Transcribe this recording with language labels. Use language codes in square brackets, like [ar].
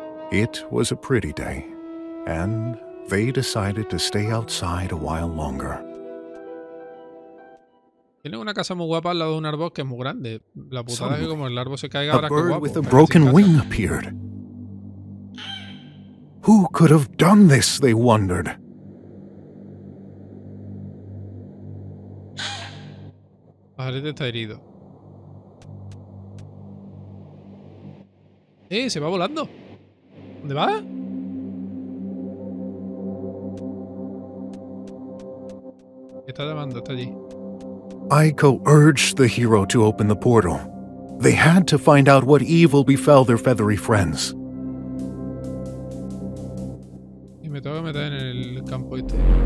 [en] It was a pretty day, and they decided to stay outside a while longer. [es] Tiene una casa muy guapa al lado de un árbol que es muy grande. La putada [en] suddenly, [es] es que como el árbol se caiga a ahora, qué guapo. [en] A bird with a broken wing appeared. Who could have done this, they wondered. [es] Pajarete está herido. Se va volando. ¿Dónde va? Está llamando, está allí. [en] Aiko urged the hero to open the portal. They had to find out what evil befell their feathery friends. [es] Y me tengo que meter en el campo este.